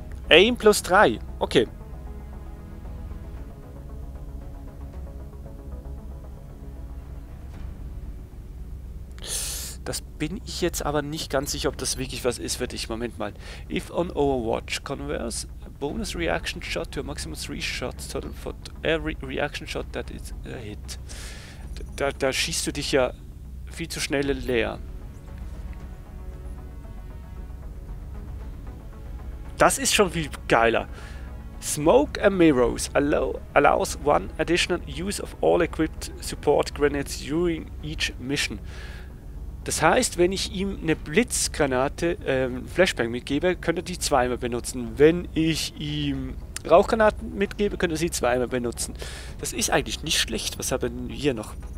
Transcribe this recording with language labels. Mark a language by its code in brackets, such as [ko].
[en] Aim plus 3. Okay. [de] Das bin ich jetzt aber nicht ganz sicher, ob das wirklich was ist für dich. Moment mal. [en] If on Overwatch, converse bonus reaction shot to a maximum 3 shots total for every reaction shot that is a hit. [de] Da schießt du dich ja viel zu schnell leer. Das ist schon viel geiler. [en] Smoke and Mirrors allows one additional use of all equipped support grenades during each mission. [de] Das heißt, wenn ich ihm eine Blitzgranate, Flashbang mitgebe, könnte er die zweimal benutzen. Wenn ich ihm Rauchgranaten mitgebe, könnte er sie zweimal benutzen. Das ist eigentlich nicht schlecht. Was haben wir hier noch?